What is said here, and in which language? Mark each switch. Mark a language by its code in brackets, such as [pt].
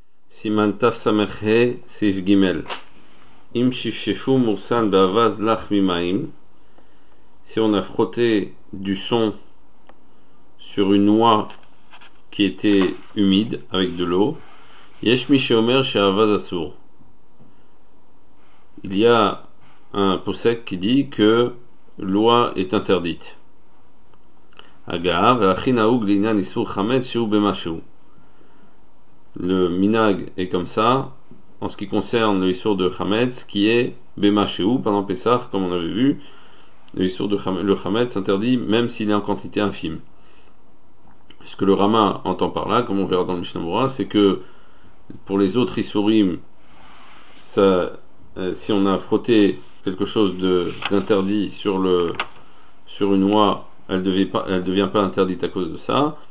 [he] סימן תסמ"ח סעיף ג', אם שפשפו מורסן באווז לח ממים, [fr] si on a frotté du son sur une noix qui était humide avec de l'eau, [he] יש מי שאומר שהאווז אסור. [fr] Il y a un posek qui dit que l'oie est interdite. [he] Agav, והכי נהוג לעניין איסור חמץ שהוא במשהו. [fr] Le minag est comme ça en ce qui concerne le issur de Chametz qui est Bemashéou pendant Pessah, comme on avait vu. Le issur de Chametz s'interdit même s'il est en quantité infime. Ce que le Rama entend par là, comme on verra dans le Mishnah Moura, c'est que pour les autres issurim, si on a frotté quelque chose d'interdit sur une oie, elle ne devient pas interdite à cause de ça.